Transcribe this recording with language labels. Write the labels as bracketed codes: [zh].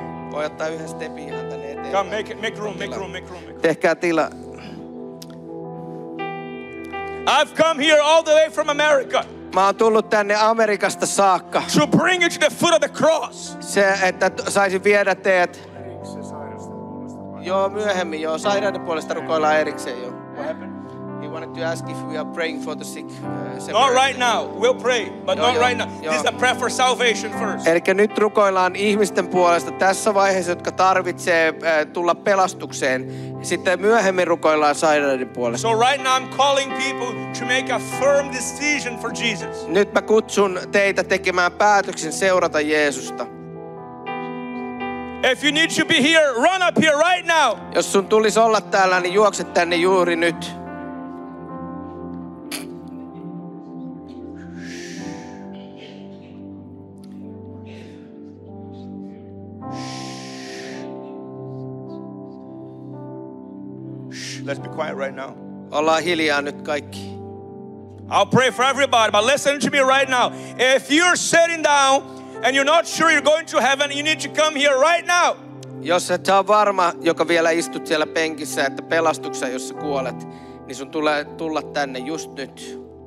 [fi] Voi ottaa yhden stepin ihan tänne eteenpäin. [en] Come, make room. [fi] Tehkää tila. [en] I've come here all the way from America. [fi] Mä oon tullut tänne Amerikasta saakka. [en] To bring you to the foot of the cross. [fi] Se, että saisin viedä teet. Joo, myöhemmin. Joo, sairauden puolesta rukoillaan erikseen. Joo. [en] He wanted to ask if we are praying for the sick. Not right now. We'll pray, but joo, not right now. Joo. This is a prayer for salvation first. [fi] Elikkä nyt rukoillaan ihmisten puolesta tässä vaiheessa, jotka tarvitsee tulla pelastukseen. Sitten myöhemmin rukoillaan sairaiden puolesta. [en] So right now I'm calling people to make a firm decision for Jesus. [fi] Nyt mä kutsun teitä tekemään päätöksen seurata Jeesusta. [en] If you need to be here, run up here right now. [fi] Jos sun tulisi olla täällä, niin juokse tänne juuri nyt. [en] Let's be quiet right now. [fi] Ollaan hiljaa nyt kaikki. [en] I'll pray for everybody, but listen to me right now. If you're sitting down and you're not sure you're going to heaven, you need to come here right now. [fi] Jos et ole varma, joka vielä istut siellä penkissä, että pelastuksessa, jos sä kuolet, niin sun tulee tulla tänne just nyt.